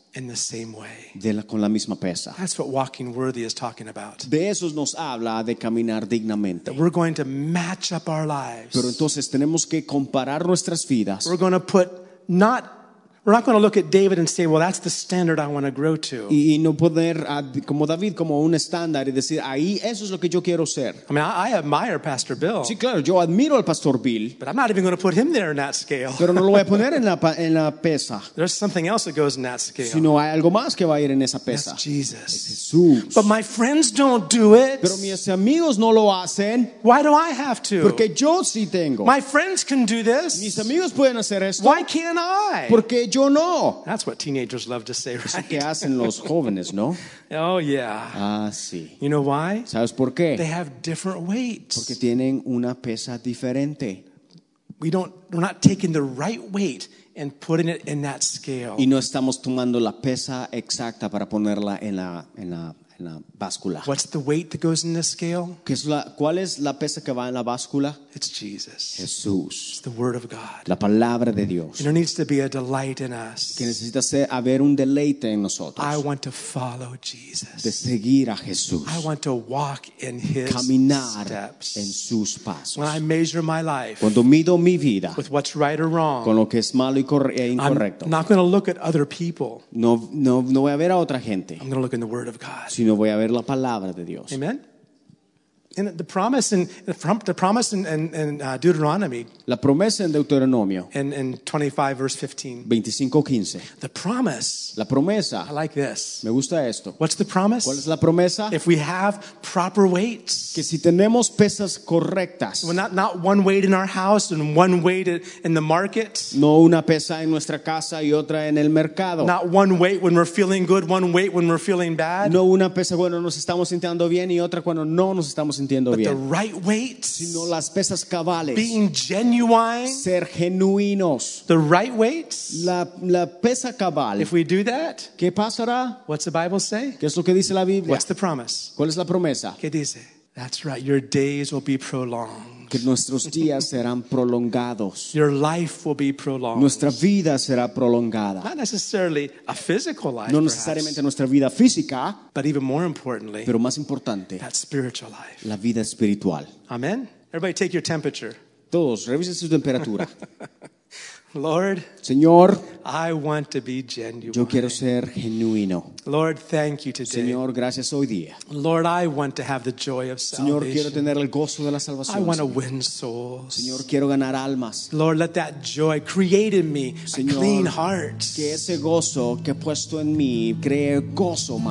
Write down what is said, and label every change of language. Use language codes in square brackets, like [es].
[en] in the same way. [es] Con la misma pesa. [en] That's what walking worthy is talking about. [es] De eso nos habla de caminar dignamente. [en] That we're going to match up our lives. [es] Pero entonces tenemos que comparar nuestras vidas. [en] We're going to put not We're not going to look at David and say, "Well, that's the standard I want to grow to." [es] Y no poder como David como un estándar y decir ahí eso es lo que yo quiero ser. [en] I mean, I admire Pastor Bill. [es] Sí, claro, yo admiro al Pastor Bill. [en] But I'm not even going to put him there in that scale. [es] Pero no lo voy a poner en la pesa. [en] There's something else that goes in that scale. [es] Sino hay algo más que va a ir en esa pesa. [en] That's Jesus. [es] Es Jesús. [en] But my friends don't do it. [es] Pero mis amigos no lo hacen. [en] Why do I have to? [es] Porque yo sí tengo. [en] My friends can do this. [es] Mis amigos pueden hacer esto. [en] Why can't I? [es] Porque yo no. [en] That's what teenagers love to say, right? [es] Eso que hacen los jóvenes, ¿no? [en] Oh, yeah. [es] Ah, sí. [en] You know why? [es] ¿Sabes por qué? [en] They have different weights. [es] Porque tienen una pesa diferente. [en] We're not taking the right weight and putting it in that scale. [es] Y no estamos tomando la pesa exacta para ponerla en la báscula. [en] What's the weight that goes in the scale? [es] ¿Qué es cuál es la pesa que va en la báscula? [en] It's Jesus. [es] Jesús. [en] It's the Word of God. [es] La palabra de Dios. [en] And there needs to be a delight in us. [es] Que necesita haber un deleite en nosotros. [en] I want to follow Jesus. [es] De seguir a Jesús. [en] I want to walk in His [es] Caminar [en] steps. [es] En sus pasos. [en] When I measure my life. [es] Cuando mido mi vida. [en] With what's right or wrong. [es] Con lo que es malo y incorrecto. [en] I'm not going to look at other people. [es] No voy a ver a otra gente. [en] I'm going to look in the Word of God. [es] Sino voy a ver la palabra de Dios. [en] Amen. And the promise in Deuteronomy. [es] La promesa en Deuteronomio. [en] In 25 verse 15. [es] 25:15. [en] The promise. [es] La promesa. [en] I like this. [es] Me gusta esto. [en] What's the promise? [es] ¿Cuál es la promesa? [en] If we have proper weights. [es] Que si tenemos pesas correctas. [en] Well, not one weight in our house and one weight in the market. [es] No una pesa en nuestra casa y otra en el mercado. [en] Not one weight when we're feeling good, one weight when we're feeling bad. [es] No una pesa cuando nos estamos sintiendo bien y otra cuando no nos estamos sintiendo bien. [en] But the right weight, [es] sino las pesas cabales, [en] being genuine, [es] ser genuinos, [en] the right weight, [es] la pesa cabal. [en] If we do that, [es] ¿qué pasará? [en] What's the Bible say? [es] ¿Qué es lo que dice la Biblia? [en] What's the promise? [es] ¿Cuál es la promesa? ¿Qué dice? [en] That's right, your days will be prolonged. [es] Que nuestros días serán prolongados. [en] Your life will be prolonged. [es] Nuestra vida será prolongada. [en] Not necessarily a physical life, [es] no necesariamente nuestra vida física, [en] but even more importantly, [es] pero más importante, [en] that spiritual life. [es] La vida espiritual. [en] Amen. Everybody take your temperature. [es] Todos, revisen su temperatura. [en] Lord, [es] Señor, [en] I want to be genuine. [es] Yo quiero ser genuino. [en] Lord, thank you today. [es] Señor, gracias hoy día. [en] Lord, I want to have the joy of salvation. [es] Señor, quiero tener el gozo de la salvación. [en] I want to win souls. [es] Señor, quiero ganar almas. [en] Lord, let that joy create in me [es] Señor, [en] a clean heart. [es] Que ese gozo que he puesto en mí cree gozo más.